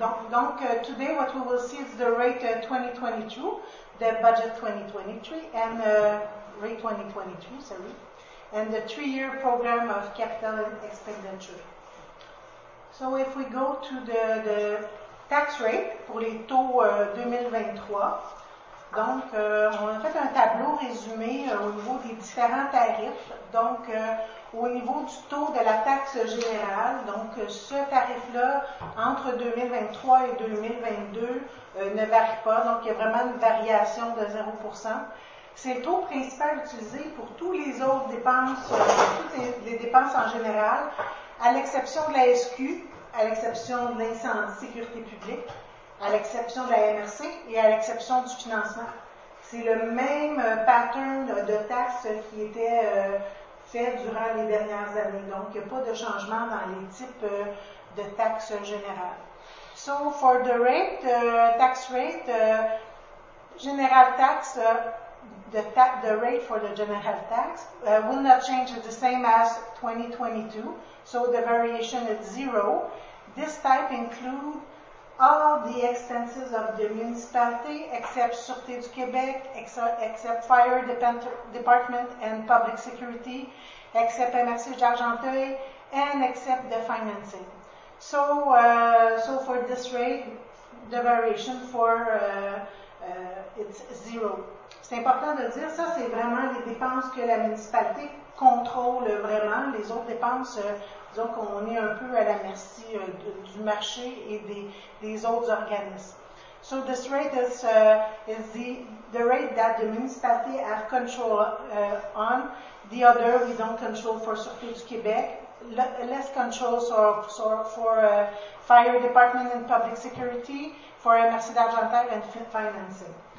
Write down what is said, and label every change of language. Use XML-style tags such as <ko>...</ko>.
<en>Donc, today what we will see is the rate 2022, the budget 2023, and rate 2022, sorry, and the three-year program of capital expenditure. So if we go to the tax rate</en> <fr>pour les taux 2023, donc on a fait un tableau résumé au niveau des différents tarifs, donc au niveau du taux de la taxe générale, donc ce tarif-là, entre 2023 et 2022, ne varie pas. Donc, il y a vraiment une variation de 0%. C'est le taux principal utilisé pour toutes les autres dépenses, toutes les dépenses en général, à l'exception de la SQ, à l'exception de l'incendie de sécurité publique, à l'exception de la MRC et à l'exception du financement. C'est le même pattern de taxes qui était durant les dernières années. Donc, il n'y a pas de changement dans les types de taxes générales.</fr> <en>So, for the rate, tax rate, general tax, the rate for the general tax will not change the same as 2022. So, the variation is zero. This type include all the expenses of the municipality, except Sûreté du Québec, except fire department and public security, except MRC d'Argenteuil, and except the financing. So, so for this rate, the variation for it's zero.</en> <fr>C'est important de dire ça, c'est vraiment les dépenses que la municipalité contrôle vraiment. Les autres dépenses, disons qu'on est un peu à la merci du marché et des autres organismes.</fr> <en>So this rate is the rate that the municipality have control on. The other, we don't control for Sûreté du Québec. Less control for fire department and public security, for MRC d'Argentaire and financing.</en>